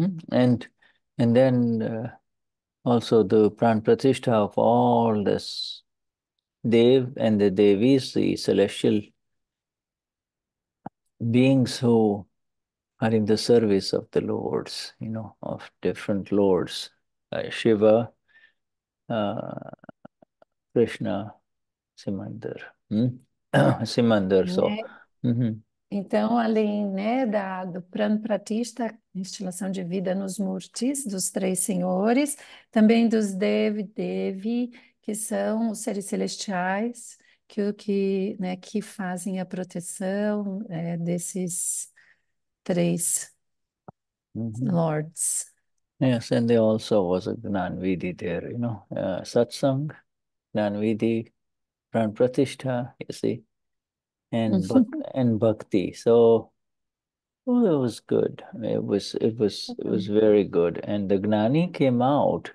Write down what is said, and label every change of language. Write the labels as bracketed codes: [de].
[en] And then also the Pran Pratishtha of all this Dev and the Devis, the celestial beings who are in the service of the lords, you know, of different lords, Shiva, Krishna, Simandir. Simandir, so. [pt] Então, além, né, do Pran Pratishtha, instalação de vida nos Murtis, dos três senhores, também dos Devi, que são os seres celestiais, que fazem a proteção desses três lords. [en] Yes, and there also was a Gnanvidhi there, you know, Satsang, Gnanvidhi, Pran Pratishtha, you see. And bhakti, so well, it was good. It was very good. And the Gnani came out.